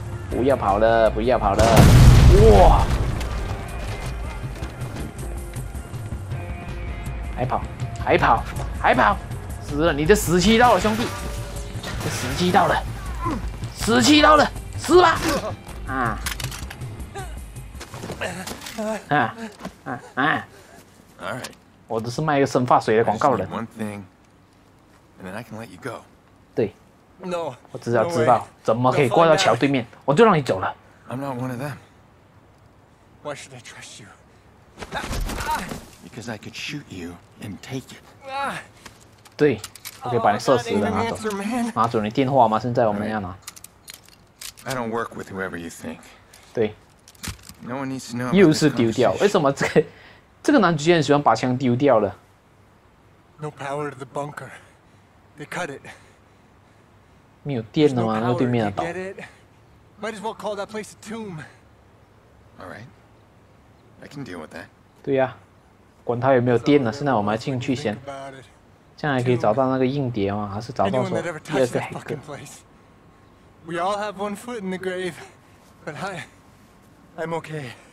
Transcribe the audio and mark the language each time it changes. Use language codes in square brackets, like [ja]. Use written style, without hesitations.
[zh] 不要跑的，不要跑的，哇，还跑，还跑，还跑，死了，你的时期到了，兄弟，时期到了，时期到了。死吧！ [en] All right. [zh] 我只是卖一个生发水的广告人。 [en] One thing, and then I can let you go. [zh] 对。 [en] No. [zh] 我只要知道怎么可以过到桥对面，我就让你走了。 [en] I'm not one of them. Why should I trust you? Because I could shoot you and take it. [zh] 对，我可以把你射死的拿走。拿走你电话吗？现在我们要拿。 [en] I don't work with whoever you think. [zh] 对。 [en] No one needs to know. [zh] 又是丢掉，为什么这个男主角很喜欢把枪丢掉了 [en] ？No power to the bunker. They cut it. [zh] 没有电了吗？那个对面的岛。 [en] Might as well call that place a tomb. All right. I can deal with that. [zh] 对呀，管他有没有电呢？现在我们要进去先，这样还可以找到那个硬碟吗？还是找到说第二个黑客？ [en] We all have one foot in the grave, but I'm okay.